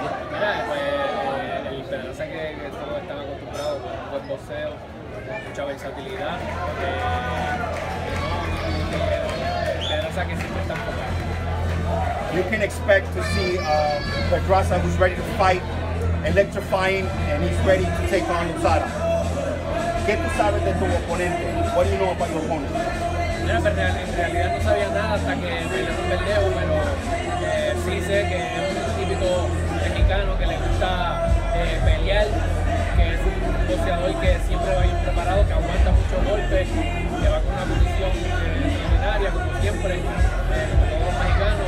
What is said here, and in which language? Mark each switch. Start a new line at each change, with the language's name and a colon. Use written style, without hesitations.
Spanish: Mira, pues el Pedraza que todos están acostumbrados, con buen boxeo, mucha versatilidad. Pedraza que siempre está enfocado.
English: You can expect to see Pedraza who's ready to fight, electrifying, and he's ready to take on Lozada.
Spanish: ¿Qué tú sabes de tu oponente?
English: What do you know about your opponent?
Spanish: Mira, pero en realidad no sabía nada hasta que peleé con Verdejo, pero sí sé que es un típico mexicano que le gusta pelear, que es un boxeador que siempre va bien preparado, que aguanta muchos golpes, que va con una posición extraordinaria, como siempre, como todos los mexicanos.